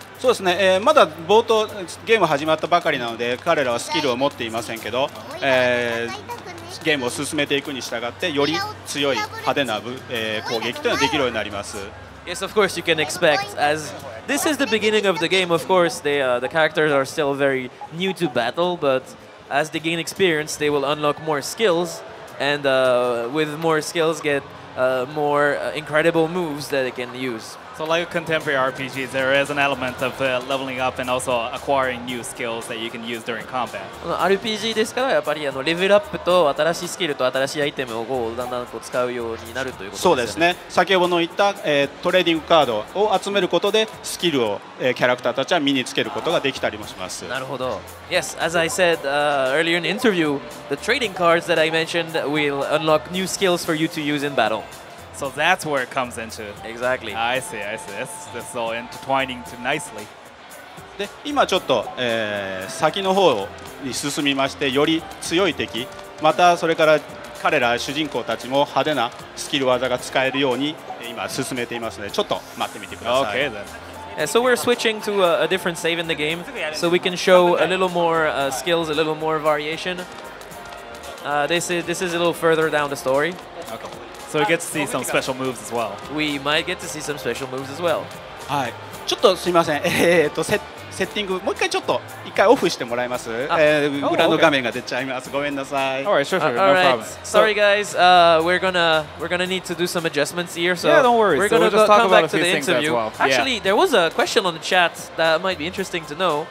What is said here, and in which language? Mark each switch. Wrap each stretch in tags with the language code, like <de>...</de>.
<ja>そうですね、まだ冒頭ゲーム始まったばかりなので彼らはスキルを持っていませんけど、ゲームを進めていくに従ってより強い派手な、攻撃というのができるようになります。</ja> <en>Yes, of course, you can expect, as this is the beginning of the game, of course, the characters are still very new to battle, but as they gain experience, they will unlock more skills, and with more skills, get more incredible moves that they can use. So like a contemporary RPG, there is an element of leveling up and also acquiring new skills that you can use during combat.</en> <ja>RPG ですから、やっぱりレベルアップと新しいスキルと新しいアイテムをだんだんこう使うようになるということですね。そうですね。先ほどの言った、トレーディングカードを集めることで、スキルを、キャラクターたちは身につけることができたりもします。なるほど。</ja> <en>Yes, as I said earlier in the interview, the trading cards that I mentioned will unlock new skills for you to use in battle. So that's where it comes into. Exactly. I see, I see. This is all intertwining too nicely.</en> <ja>で、今ちょっと、先の方に進みまして、より強い敵、またそれから彼ら主人公たちも派手なスキル技が使えるように今進めていますので、ちょっと待ってみてください。</ja> <en>Okay then. So we're switching to a different save in the game, so we can show a little more skills, a little more variation. This is a little further down the story. Okay. So we get to see some special moves as well. We might get to see some special moves as well.</en> <ja>はい。ちょっとすみません。セッティングもう一回ちょっと一回オフしてもらえます。裏の画面が出ちゃいます。ごめんなさい。</ja> <en>All right, sure, sure, no problem. Sorry, guys. We're gonna need to do some adjustments here. So yeah, don't worry. We're gonna just talk about a few things as well. Actually, there was a question on the chat that might be interesting to know.</en>